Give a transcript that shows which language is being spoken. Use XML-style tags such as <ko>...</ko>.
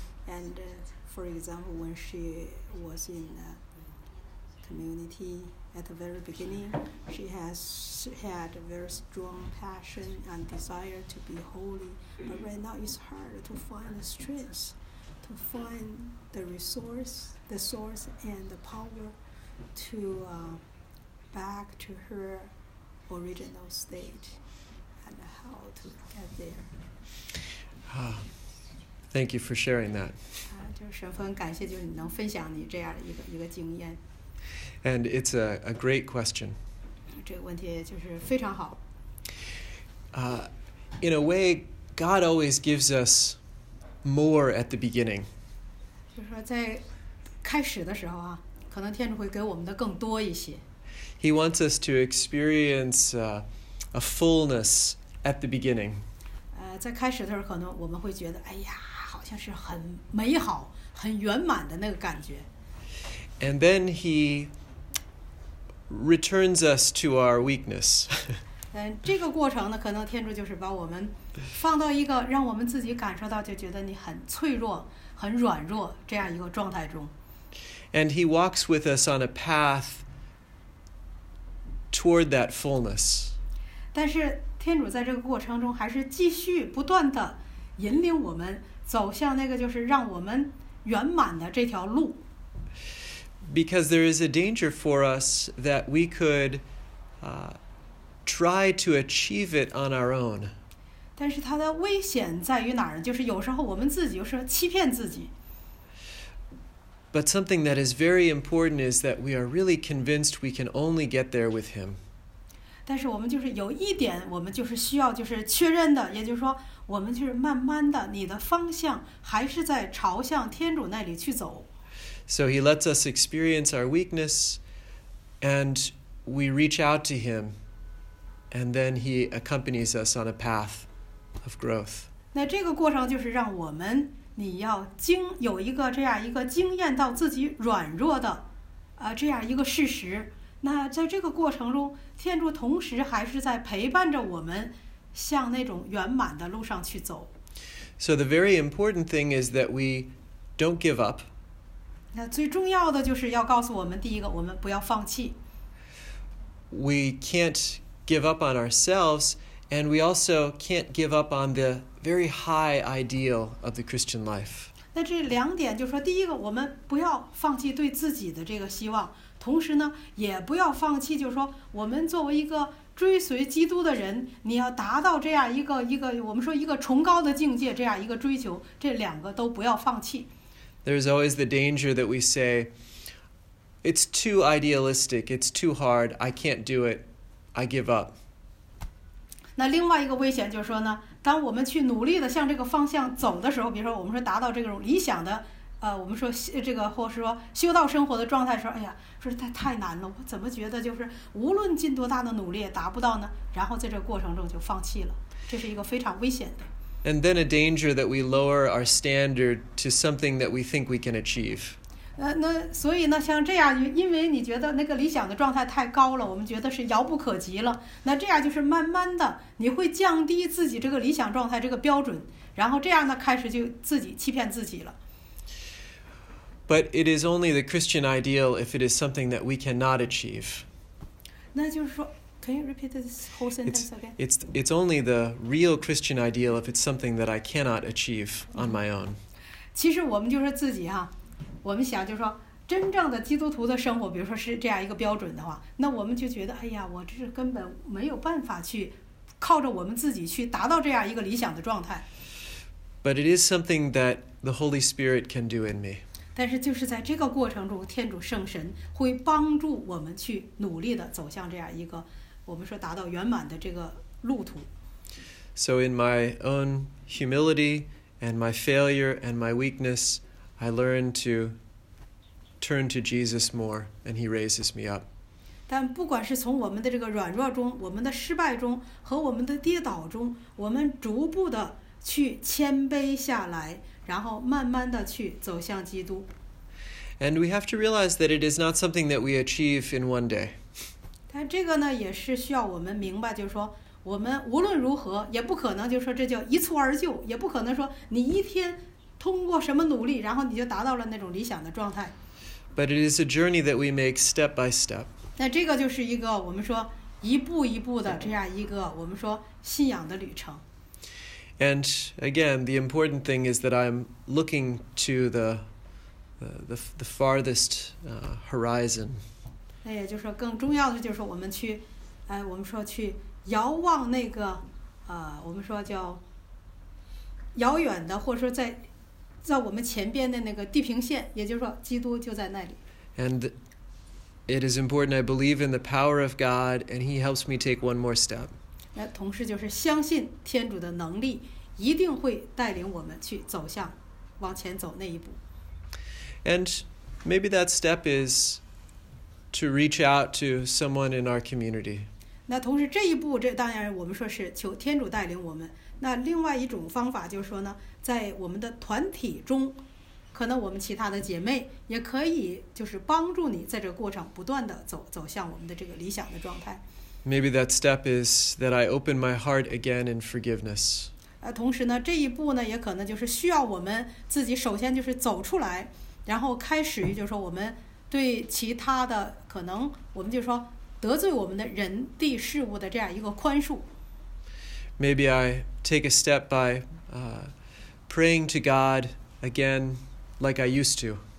<en>And for example, when she was in the community at the very beginning, she has had a very strong passion and desire to be holy, but right now it's hard to find the strength, to find the resource, the source and the power to back to her original state, and how to get there. Thank you for sharing that.</en> <zh>就是神父，很感谢就是你能分享你这样的一个经验。</zh> <en>And it's a great question.</en> <zh>这个问题就是非常好。</zh> <en>In a way, God always gives us more at the beginning.</en> <zh>就是说在开始的时候啊，可能天主会给我们的更多一些。</zh> <en>He wants us to experience a fullness at the beginning.</en> <zh>在开始的时候，可能我们会觉得，哎呀，好像是很美好、很圆满的那个感觉。</zh> <en>And then he returns us to our weakness.</en> <zh>这个过程呢，可能天主就是把我们放到一个让我们自己感受到，就觉得你很脆弱、很软弱这样一个状态中。</zh> <en>And he walks with us on a path toward that fullness.</en> <zh>但是天主在这个过程中还是继续不断的引领我们走向那个就是让我们圆满的这条路。</zh> <en>Because there is a danger for us that we could try to achieve it on our own.</en> <zh>但是它的危险在于哪儿？就是有时候我们自己就是欺骗自己。</zh> <en>But something that is very important is that we are really convinced we can only get there with him.</en> <zh>但是我们就是有一点我们就是需要就是确认的，也就是说我们就是慢慢的你的方向还是在朝向天主那里去走。</zh> <en>So he lets us experience our weakness and we reach out to him and then he accompanies us on a path of growth.</en> <zh>那这个过程就是让我们你要经有一个这样一个经验到自己软弱的这样一个事实。那在这个过程中天主同时还是在陪伴着我们向那种圆满的路上去走。</zh> <en>So the very important thing is that we don't give up.</en> <zh>那最重要的就是要告诉我们第一个我们不要放弃。</zh> <en>We can't give up on ourselves, and we also can't give up on the very high ideal of the Christian life.</en> <zh>那这两点就是说第一个我们不要放弃对自己的这个希望。同时呢，也不要放弃，就是说，我们作为一个追随基督的人，你要达到这样一个，我们说一个崇高的境界，这样一个追求，这两个都不要放弃。</zh> <en>There's always the danger that we say, it's too idealistic, it's too hard, I can't do it, I give up.</en> <zh>那另外一个危险就是说呢，当我们去努力的向这个方向走的时候，比如说我们说达到这种理想的我们说这个或是说修道生活的状态说哎呀说太难了我怎么觉得就是无论尽多大的努力也达不到呢然后在这个过程中就放弃了这是一个非常危险的</zh> <en>And then a danger that we lower our standard to something that we think we can achieve</en> <zh>那所以呢像这样因为你觉得那个理想的状态太高了我们觉得是遥不可及了那这样就是慢慢的你会降低自己这个理想状态这个标准然后这样呢开始就自己欺骗自己了</zh> <en>But it is only the Christian ideal if it is something that we cannot achieve.</en> <zh>那就是说,</zh> <en>can you repeat this whole sentence it's, again? It's only the real Christian ideal if it's something that I cannot achieve on my own.</en> <zh>其实我们就是自己哈，我们想就是说，真正的基督徒的生活，比如说是这样一个标准的话，那我们就觉得，哎呀，我这是根本没有办法去靠着我们自己去达到这样一个理想的状态。</zh> <en>But it is something that the Holy Spirit can do in me.</en> <zh>但是就是在这个过程中，天主圣神会帮助我们去努力的走向这样一个，我们说达到圆满的这个路途。</zh> <en>So in my own humility and my failure and my weakness, I learn to turn to Jesus more, and He raises me up.</en> <zh>但不管是从我们的这个软弱中、我们的失败中和我们的跌倒中，我们逐步的去谦卑下来。然后慢慢地去走向基督。</zh> <en>And we have to realize that it is not something that we achieve in one day.</en> <zh>但这个呢，也是需要我们明白，就是说，我们无论如何，也不可能就说这叫一蹴而就，也不可能说你一天通过什么努力，然后你就达到了那种理想的状态。</zh> <en>But it is a journey that we make step by step.</en> <zh>那这个就是一个我们说一步一步的这样一个我们说信仰的旅程。</zh> <en>And again, the important thing is that I'm looking to the farthest horizon.</en> <zh>那也就是说，更重要的就是我们去，哎，我们说去遥望那个，我们说叫遥远的，或者说在我们前边的那个地平线，也就是说，基督就在那里。</zh> <en>And it is important. I believe in the power of God, and He helps me take one more step.</en> <zh>那同时就是相信天主的能力。一定会带领我们去走向往前走那一步。</zh> <en>And maybe that step is to reach out to someone in our community.</en> <zh>那同时这一步，这当然我们说是求天主带领我们。那另外一种方法就是说呢，在我们的团体中，可能我们其他的姐妹也可以就是帮助你在这个过程不断的走向我们的这个理想的状态。</zh> <en>Maybe that step is that I open my heart again in forgiveness.</en> <zh>同时呢这一步呢也可能就是需要我们自己首先就是走出来然后开始于就是说我们对其他的可能我们就说得罪我们的人地事物的这样一个宽恕</zh> <en>Maybe I take a step by praying to God again like I used to</en>